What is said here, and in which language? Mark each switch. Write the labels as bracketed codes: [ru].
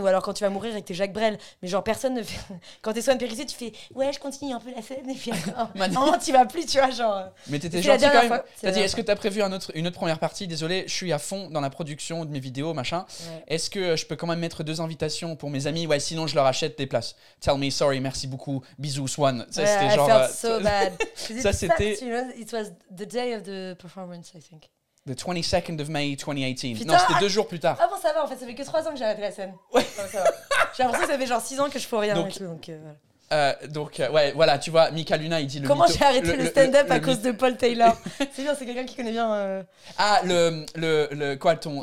[fr] Ou alors quand tu vas mourir et que t'es Jacques Brel. Mais genre, personne ne fait. Quand t'es Swan Périssé, tu fais, ouais, je continue un peu la scène. Et puis, non, t'y vas plus, tu vois, genre. Mais t'étais gentil quand même. Fois. T'as dit, est-ce que t'as prévu une autre première partie? Désolé, je suis à fond dans la production de mes vidéos, machin. Ouais. Est-ce que je peux quand même mettre 2 invitations pour mes amis? Ouais, sinon, je leur achète des places. [en] Tell me, sorry, [fr] merci beaucoup. Beaucoup. Bisous Swan. Ça ouais, c'était [en] I [fr] genre [en] felt so bad. [fr] Ça c'était [en] it was the day of the performance I think. The 22nd of May 2018. [fr] Putain, non, c'était 2 jours plus tard. Ah bon, ça va en fait, ça fait que 3 ans que j'ai arrêté la scène. Ouais. J'ai l'impression que ça fait genre 6 ans que je fais rien donc, et tout donc ouais, voilà, tu vois, Mika Luna, il dit le comment mytho, j'ai arrêté le stand-up à cause de Paul Taylor. C'est bien, c'est quelqu'un qui connaît bien Ah le quoi ton